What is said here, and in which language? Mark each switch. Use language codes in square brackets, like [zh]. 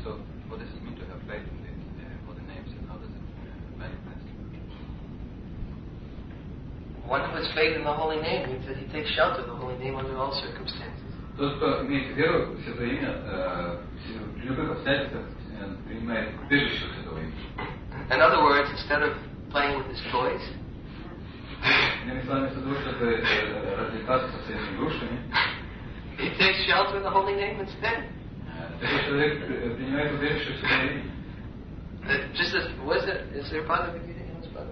[en] So what does it mean to have faith in the holy names and how does it manifest? One who has faith in the holy name means that he takes shelter of the holy name under all circumstances. [ru] Тот, кто имеет веру в святое имя, в любых обстоятельствах принимает убежище святого имени. [en] In other words, instead of playing with his toys, he takes shelter in the holy name instead. [ru] Принимает убежище в святое имя. [en] Just as, was it, is there a part of the Gita in this part of